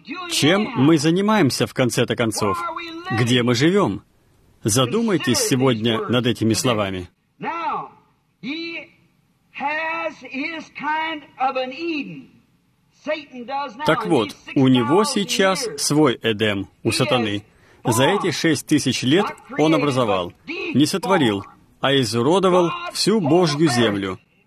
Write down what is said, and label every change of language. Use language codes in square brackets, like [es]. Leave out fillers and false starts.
[ru] Чем мы занимаемся в конце-то концов? Где мы живем? Задумайтесь сегодня над этими словами. [en] Now, he has his kind of an Eden. [ru] Так вот, у него сейчас свой Эдем, у сатаны. За эти 6000 лет он образовал, не сотворил, а изуродовал всю Божью землю.